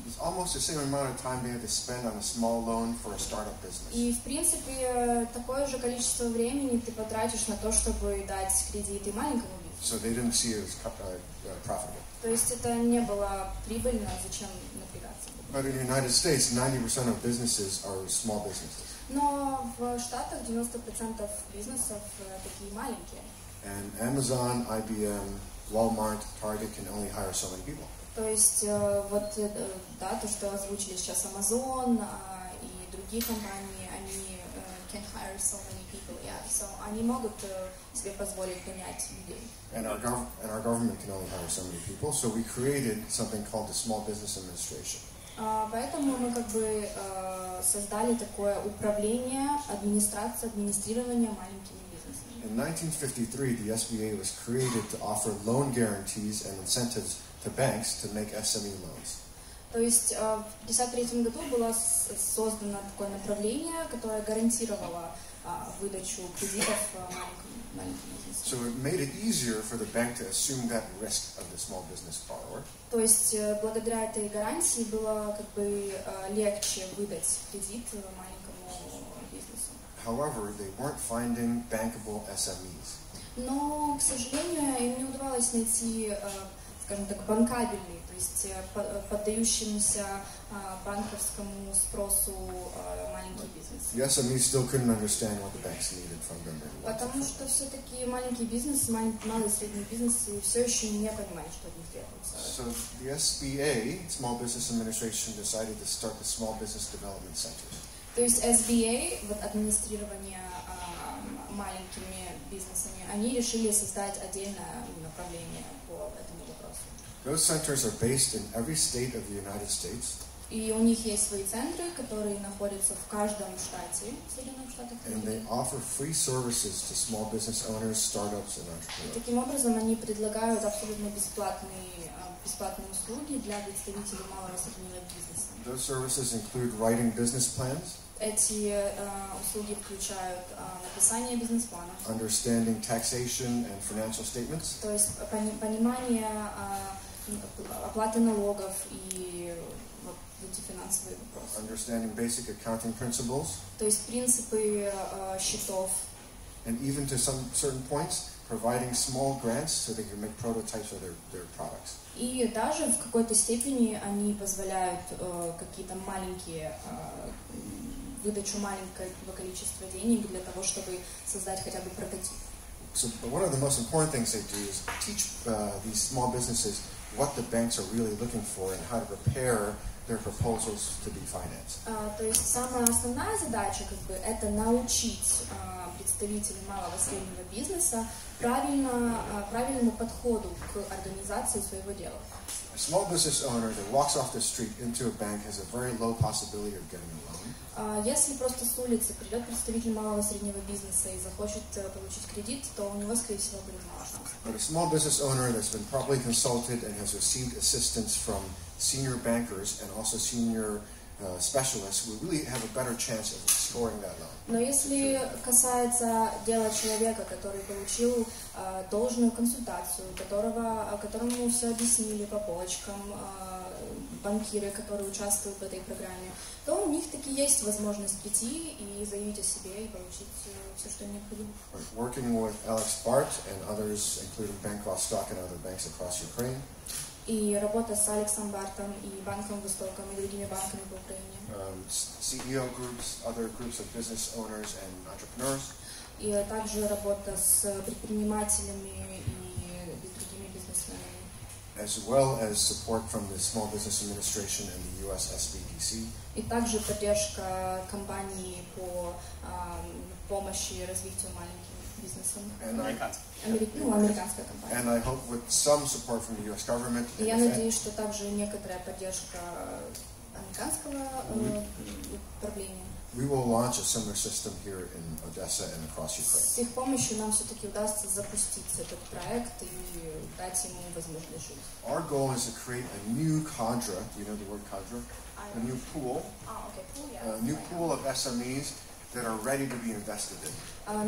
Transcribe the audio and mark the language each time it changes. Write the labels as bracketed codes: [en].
[en] It's almost the same amount of time they had to spend on a small loan for a startup business. [ru] И в принципе такое же количество времени ты потратишь на то, чтобы дать кредит и маленькому бизнесу. [en] So they didn't see it as profitable. [ru] То есть это не было прибыльно, зачем напрягаться? [en] But in the United States, 90% of businesses are small businesses. [ru] Но в Штатах 90% бизнесов такие маленькие. [en] And Amazon, IBM, Walmart, Target can only hire so many people. [ru] То есть вот да, то что озвучили сейчас Amazon и другие компании, они [en] can hire so many people, yeah. [ru] So они могут себе позволить нанять людей. [en] And our government can only hire so many people, so we created something called the Small Business Administration. [ru] Поэтому мы как бы создали такое управление, администрация, администрирование маленькими бизнесами. [en] In 1953, the SBA was created to offer loan guarantees and incentives to banks to make SME loans. [ru] То есть в 1953 году было создано такое направление, которое гарантировало выдачу кредитов маленьким бизнесам. [en] So it made it easier for the bank to assume that risk of the small business borrower. [ru] То есть благодаря этой гарантии было как бы легче выдать кредит маленькому бизнесу. [en] However, they weren't finding bankable SMEs. [ru] Но, к сожалению, им не удавалось найти, скажем так, банкабельные, то есть поддающимся банковскому спросу маленький бизнес. [en] The SMEs still couldn't understand what the banks needed from them. [ru] Потому что все-таки маленький бизнес, малый и средний бизнес все еще не понимают, что от них требуется. [en] So the SBA, Small Business Administration, decided to start the Small Business Development Centers. [ru] То есть SBA, вот администрирование маленькими бизнесами, они решили создать отдельное направление по этому вопросу. [en] Those centers are based in every state of the United States. [ru] И у них есть свои центры, которые находятся в каждом штате Соединенных Штатов. [en] And they offer free services to small business owners, startups, and entrepreneurs. [ru] И таким образом они предлагают абсолютно бесплатные услуги для представителей малого и среднего бизнеса. [en] Those services include writing business plans. [ru] Эти услуги включают написание бизнес-планов. [en] Understanding taxation and financial statements. [ru] То есть понимание оплаты налогов и эти финансовые вопросы. [en] Understanding basic accounting principles. [ru] То есть принципы счетов. [en] And even to some certain points, providing small grants so they can make prototypes of their products. [ru] И даже в какой-то степени они позволяют какие-то маленькие выдачу маленького количества денег для того, чтобы создать хотя бы прототип. [en] So one of the most important things they do is teach these small businesses what the banks are really looking for and how to prepare their proposals to be financed. [ru] То есть самая основная задача как бы это научить представителей малого и среднего бизнеса правильному подходу к организации своего дела. [en] A small business owner that walks off the street into a bank has a very low possibility of getting a loan. [ru] Если просто с улицы придет представитель малого и среднего бизнеса и захочет получить кредит, то у него, скорее всего, будет мало шансов. [en] But a small business owner that's been properly consulted and has received assistance from senior bankers and also senior specialists will really have a better chance of scoring that loan. [ru] Но если касается дела человека, который получил должную консультацию, которому все объяснили по полочкам, банкиры, которые участвуют в этой программе, то у них таки есть возможность прийти и заявить о себе и получить все, что необходимо. [en] Working with Alex Bart and others, including Bank of Stock and other banks across Ukraine. [ru] И работа с Алексом Бартом и Банком Востоком и другими банками по Украине. [en] CEO groups, other groups of business owners and entrepreneurs. [ru] И также работа с предпринимателями и другими бизнесменами. [en] As well as support from the Small Business Administration and the US SBDC. [ru] И также поддержка компании по помощи развитию маленьких. [en] And I hope with some support from the U.S. government. [ru] Я надеюсь, что также некоторая поддержка американского управления. [en] We will launch a similar system here in Odessa and across Ukraine. [ru] С их помощью нам все-таки удастся запустить этот проект и дать ему возможность жить. [en] Our goal is to create a new cadre. You know the word cadre? A new pool. A new pool of SMEs that are ready to be invested in.